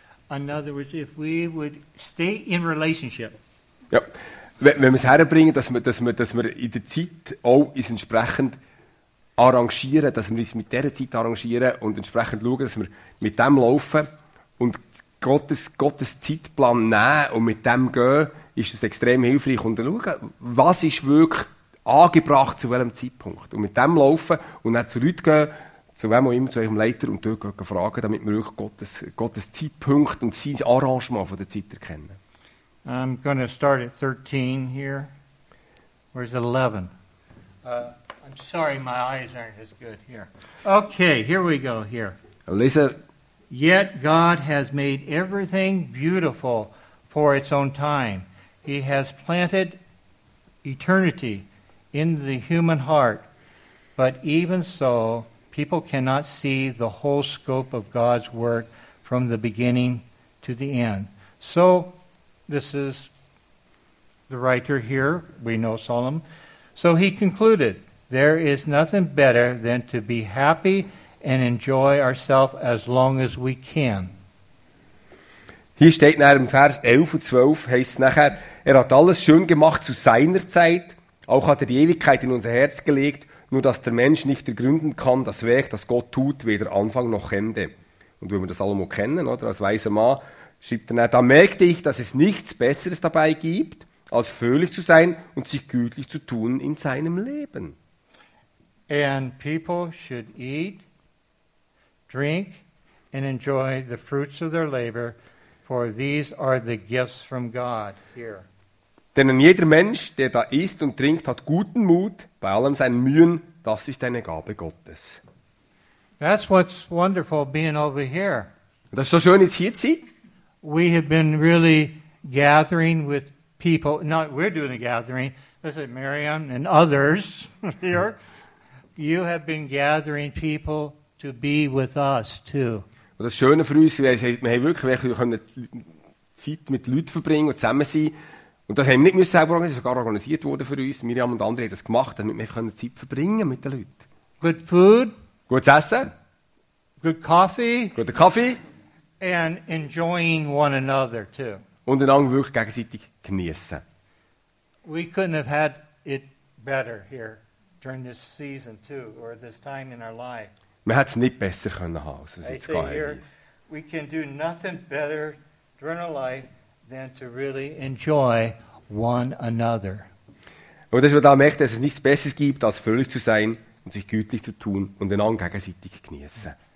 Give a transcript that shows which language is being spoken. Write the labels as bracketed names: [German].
[English] In other words, if we would stay in relationship. Yep. [German] Wenn wir es herbringen, dass wir in der Zeit auch uns entsprechend arrangieren, dass wir uns mit dieser Zeit arrangieren und entsprechend schauen, dass wir mit dem laufen und Gottes Zeitplan nehmen und mit dem gehen, ist es extrem hilfreich. Und schauen, was ist wirklich angebracht zu welchem Zeitpunkt. Und mit dem laufen und dann zu Leuten gehen, zu wem auch immer, zu eurem Leiter und dort gehen, fragen, damit wir wirklich Gottes Zeitpunkt und sein Arrangement von der Zeit erkennen. [English] I'm going to start at 13 here. Where's 11? I'm sorry, my eyes aren't as good here. Okay, here we go here. Lisa. Yet God has made everything beautiful for its own time. He has planted eternity in the human heart. But even so, people cannot see the whole scope of God's work from the beginning to the end. So, this is the writer here, we know Solomon. So he concluded, there is nothing better than to be happy and enjoy ourselves as long as we can. [German] Hier steht nach dem Vers 11 und 12, heißt es nachher, er hat alles schön gemacht zu seiner Zeit, auch hat er die Ewigkeit in unser Herz gelegt, nur dass der Mensch nicht ergründen kann, das Werk, das Gott tut, weder Anfang noch Ende. Und wenn wir das Salomo kennen, oder als weiser Mann, schreibt er, da merkte ich, dass es nichts Besseres dabei gibt, als fröhlich zu sein und sich gütlich zu tun in seinem Leben. [English] And people should eat, drink and enjoy the fruits of their labor, for these are the gifts from God here. [German] Denn jeder Mensch, der da isst und trinkt, hat guten Mut bei allem seinen Mühen, das ist eine Gabe Gottes. [English] That's what's wonderful being over here. [German] Das ist so schön, jetzt hier zu sein. [English] We have been really gathering with people. Not we're doing a gathering. This is Miriam and others here. You have been gathering people to be with us too. [German] Und das Schöne für uns, wir haben wirklich können Zeit mit Leuten verbringen und zusammen sein. Und das haben wir nicht selber organisiert, das ist sogar organisiert worden für uns. Miriam und andere haben das gemacht, damit wir können Zeit verbringen mit den Leuten. [English] Good food. [German] Gutes Essen. [English] Good coffee. [German] Guten Kaffee. [English] And enjoying one another too. [German] Und einander wirklich gegenseitig geniessen. [English] We couldn't have had it better here during this season too, or this time in our life. [German] Man hätte es nicht besser können haben, als jetzt gerade hier. [English] We can do nothing better during our life than to really enjoy one another. [German] Und dass man da merkt, dass es nichts Besseres gibt, als fröhlich zu sein und sich gütlich zu tun und einander gegenseitig genießen.